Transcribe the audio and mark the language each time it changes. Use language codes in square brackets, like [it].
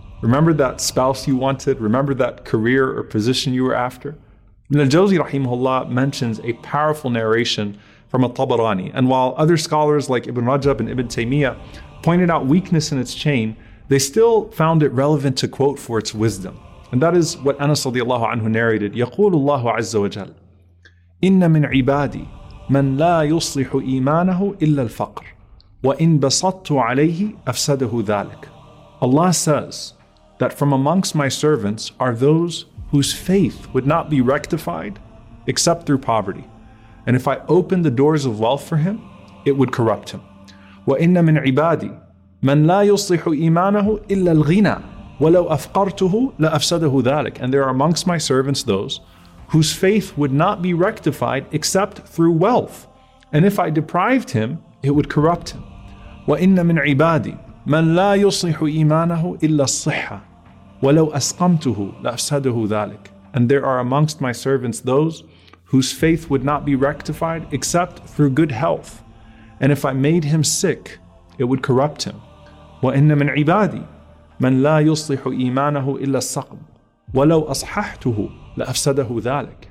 [en] Remember that spouse you wanted? Remember that career or position you were after? Ibn al-Jawzi rahimahullah mentions a powerful narration from al-Tabarani. And while other scholars like Ibn Rajab and Ibn Taymiyyah pointed out weakness in its chain, they still found it relevant to quote for its wisdom. And that is what Anas radiallahu anhu narrated. [ar] يقول الله عز وجل إن من عبادي من لا يصلح إيمانه إلا الفقر وإن بسطت عليه أفسده ذلك. [en] Allah says that from amongst my servants are those whose faith would not be rectified except through poverty. And if I open the doors of wealth for him, it would corrupt him. [ar] وإن من عبادي من لا يصلح إيمانه إلا الغنى ولو أفقرته لأفسده ذلك. [en] And there are amongst my servants those whose faith would not be rectified except through wealth. And if I deprived him, it would corrupt him. [ar] وإن من عبادي من لا يصلح إيمانه إلا الصحة ولو أسقمته لأفسده ذلك. [en] And there are amongst my servants those whose faith would not be rectified except through good health. And if I made him sick, it would corrupt him. [ar] وَإِنَّ مِنْ عِبَادِي مَنْ لَا يُصْلِحُ إِيمَانَهُ إِلَّا السَّقْمُ وَلَوْ أَصْحَحْتُهُ لَأَفْسَدَهُ ذَلِكَ.